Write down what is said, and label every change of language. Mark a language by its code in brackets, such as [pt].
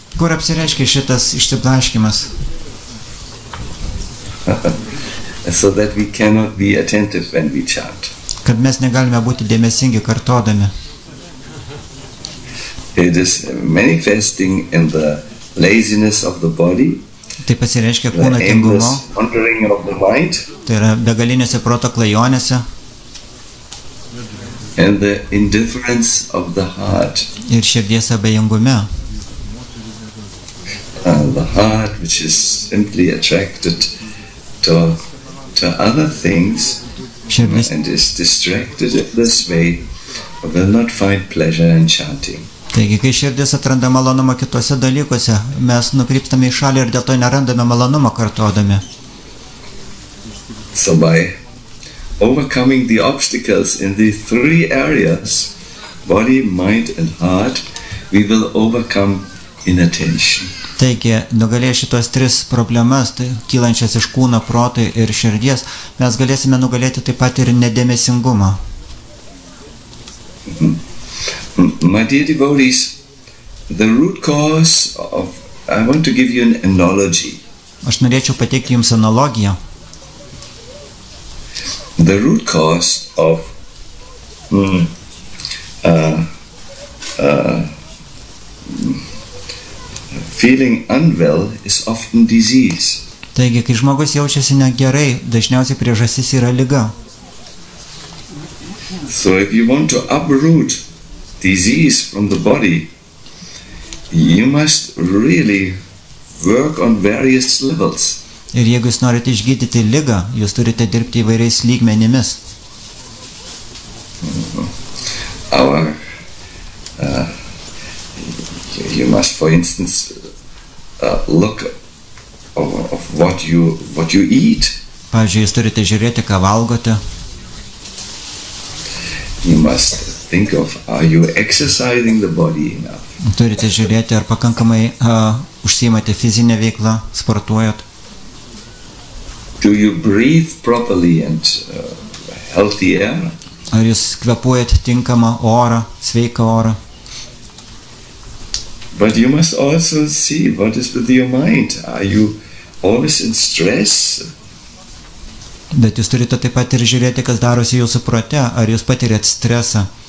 [lt] Kur apsireiškia šitas išsiblaškimas? [en] So that we cannot be attentive when we chant. [lt] Kad mes negalime būti dėmesingi kartodami. [en] It is manifesting in the laziness of the body. [lt] Tai pasireiškia kūno tingumo. Tai yra begalinėse proto klajonėse. [en] And the indifference of the heart. [lt] Ir širdies abejingume. [en] The heart which is simply attracted to other things and is distracted in this way will not find pleasure in chanting. [lt] Taigi, kai širdis atranda malonumą kituose dalykuose, mes nukryptame į šalį ir dėl to nerandame malonumą kartuodami. [en] So by overcoming the obstacles in these three areas, body, mind and heart, we will overcome inattention. [lt] Taigi, nugalėję šitos tris problemas, tai kylančias iš kūno, proto ir širdies, mes galėsime nugalėti taip pat ir nedėmesingumą. [en] My dear devotees, the root cause of... I want to give you an analogy. [lt] Aš norėčiau pateikti Jums analogiją. [en] The root cause of feeling unwell is often disease. [lt] Taigi, kai žmogus jaučiasi negerai, dažniausiai priežastis yra liga. [en] So if you want to uproot disease from the body, you must really work on various levels. [lt] Ir jeigu jūs norite išgydyti ligą, jūs turite dirbti įvairiais lygmenimis. [en] you must, for instance, look of what you eat. [lt] Pavyzdžiui, jūs turite žiūrėti, ką valgote. [en] You must think of, are you exercising the body enough? [lt] Turite žiūrėti, ar pakankamai užsiimate fizinę veiklą, sportuojat. [en] Do you breathe properly and healthy air? [lt] Ar jūs kvepuojat tinkamą orą, sveiką orą? [en] But you must also see what is with your mind. Are you always in stress? [lt] Bet jūs turite taip pat ir žiūrėti, kas darosi jūsų prote, ar jūs patiriat stresą?